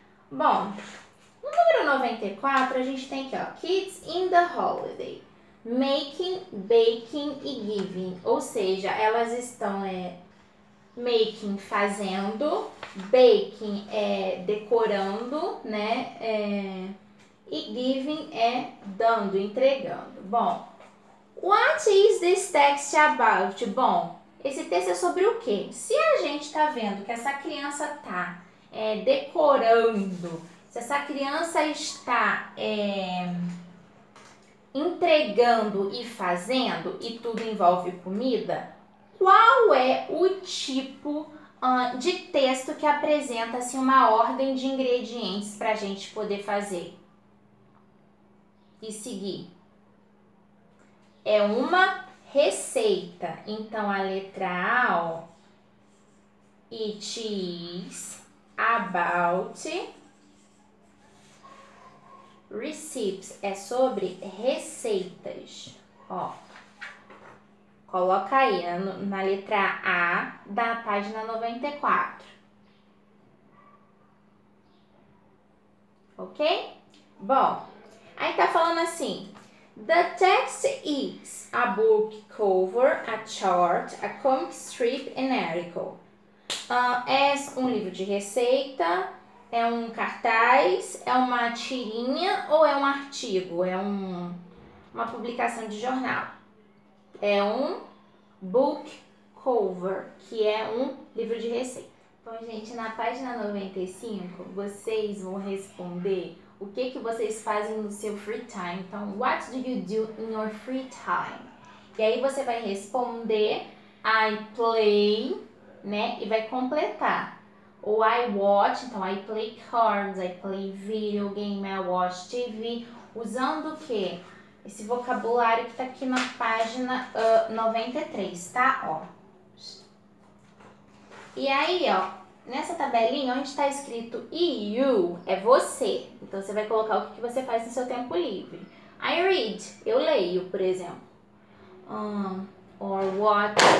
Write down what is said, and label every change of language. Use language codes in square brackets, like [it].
[pt] Bom, no número 94 a gente tem aqui, ó, [en] kids in the holiday, making, baking [pt] e giving. Ou seja, elas estão making, fazendo, baking é decorando, né? E giving é dando, entregando. [en] Bom, what is this text about? [pt] Bom, esse texto é sobre o quê? Se a gente tá vendo que essa criança tá decorando, se essa criança está entregando e fazendo, e tudo envolve comida, qual é o tipo de texto que apresenta assim, uma ordem de ingredientes para a gente poder fazer e seguir? É uma receita. Então, a letra A, ó, [en] it is about receipts. [pt] É sobre receitas. Ó, coloca aí na letra A da página 94. Ok? Bom, aí tá falando assim. [en] The text is a book cover, a chart, a comic strip, an article. [pt] É um livro de receita, é um cartaz, é uma tirinha ou é um artigo? É uma publicação de jornal. É um book cover, que é um livro de receita. Bom, gente, na página 95, vocês vão responder o que vocês fazem no seu free time. [en] Então, what do you do in your free time? [pt] E aí você vai responder, [en] I play, né? [pt] E vai completar. [en] Ou I watch, então I play cards, I play video game, I watch TV. [pt] Usando o quê? Esse vocabulário que tá aqui na página 93, tá? Ó. E aí, ó. Nessa tabelinha onde está escrito you, é você. Então, você vai colocar o que você faz no seu tempo livre. [en] I read, [pt] eu leio, por exemplo. [en] Or what?